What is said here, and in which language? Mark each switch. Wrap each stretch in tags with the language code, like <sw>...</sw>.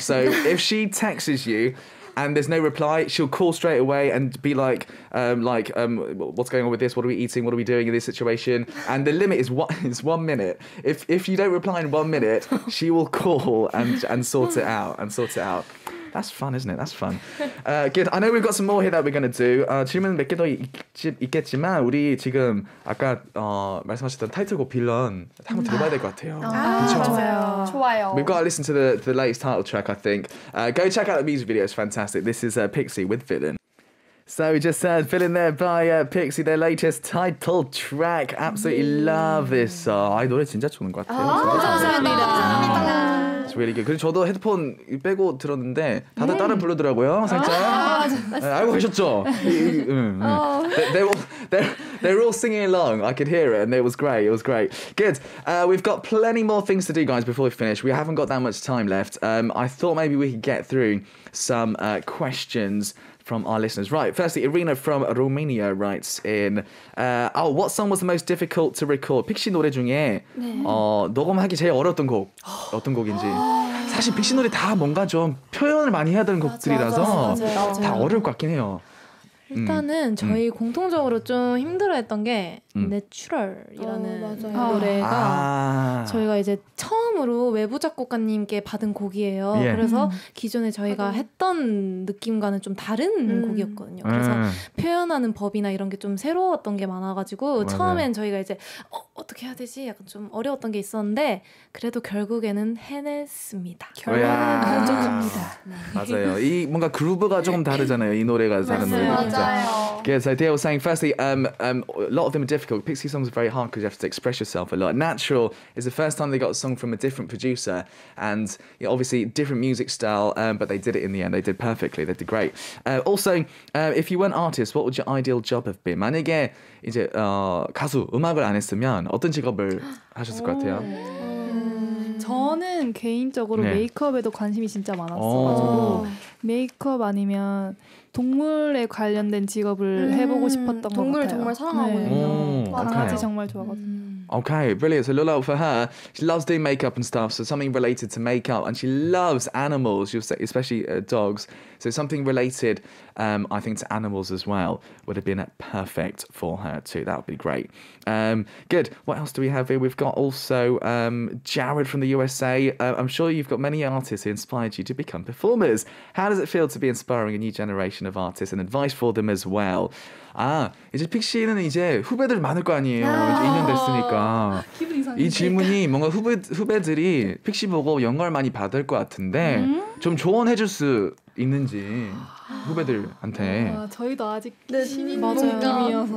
<en>So if she texts you and there's no reply, she'll call straight away and be like, what's going on with this? What are we eating? What are we doing in this situation? And the limit is 1 minute. If you don't reply in 1 minute, she will call and sort it out and sort it out. That's fun, isn't it? That's fun. Good. I know we've got some more here that we're going to do.</en> <ko>질문 몇 개 더 있겠지만 우리 지금 아까 말씀하셨던 타이틀곡 빌런 한 번 들어봐야 될 것 같아요. 아, 맞아요. 좋아요.</ko> <en>We've got to listen to the latest title track, I think. Go check out the music video. It's fantastic. This is Pixie with Villain. So we just said Villain there by Pixie, their latest title track. Absolutely love this song.</en> <ko>아, 이 노래 진짜 좋은 것 같아요. 감사합니다. 감사합니다.</ko> <en>It's really good.</en> <ko>그리고 저도 헤드폰 빼고 들었는데 다들 따라 부르더라고요, 살짝. 아, 알고 계셨죠?</ko> <en>They're all singing along. I could hear it, and it was great. It was great. Good. We've got plenty more things to do, guys. Before we finish, we haven't got that much time left. I thought maybe we could get through some questions from our listeners. Right. Firstly, Irina from Romania writes in. What song was the most difficult to record?</en> <ko>픽시 노래 중에 네. 녹음하기 제일 어려웠던 곡 어떤 곡인지. 사실 픽시 노래 다 뭔가 좀 표현을 많이 해야 되는 곡들이라서 맞아. 다 어려울 것 같긴 해요. 일단은 저희 공통적으로 좀 힘들어했던 게 내추럴이라는 노래가 저희가 이제 처음으로 외부 작곡가님께 받은 곡이에요. 예. 그래서 기존에 저희가 했던 느낌과는 좀 다른 곡이었거든요. 그래서 표현하는 법이나 이런 게 좀 새로웠던 게 많아가지고 맞아요. 처음엔 저희가 이제 어떻게 해야 되지? 약간 좀 어려웠던 게 있었는데 그래도 결국에는 해냈습니다. 결과는 좋습니다. 맞아요. 이 뭔가 그루브가 조금 다르잖아요. 이 노래가 다른 노래. 맞아요.</ko> <en>Good. So Dale was saying, firstly, a lot of them are difficult. Pixie songs are very hard because you have to express yourself a lot. Natural is the first time they got a song from a different producer, and you know, obviously different music style. But they did it in the end. They did perfectly. They did great. Also, if you weren't artist, what would your ideal job have been?</en> <ko>만약에 이제 가수 음악을 안 했으면 어떤 직업을 하셨을 것 같아요? 저는 개인적으로 네. 메이크업에도 관심이 진짜 많았어가지고 메이크업 아니면 동물에 관련된 직업을 해보고 싶었던 것 같아요. 동물 정말 사랑하거든요. 강아지 정말 좋아하거든요.</ko> <en>Okay, brilliant. So Lola, for her, she loves doing makeup and stuff. So something related to makeup, and she loves animals. You'll say, especially dogs. So something related, I think, to animals as well would have been perfect for her too. That would be great. Good. What else do we have here? We've got also Jared from the USA. I'm sure you've got many artists who inspired you to become performers. How does it feel to be inspiring a new generation of artists and advice for them as well?</en> <ko>아, 이제 픽시는 이제 후배들 많을 거 아니에요. 이제 2년 됐으니까. 이 질문이 뭔가 후배들이 픽시 보고 영감을 많이 받을 것 같은데 좀 조언해 줄 수 있는지 후배들한테. 아, 저희도 아직 네, 신인님이어서</ko>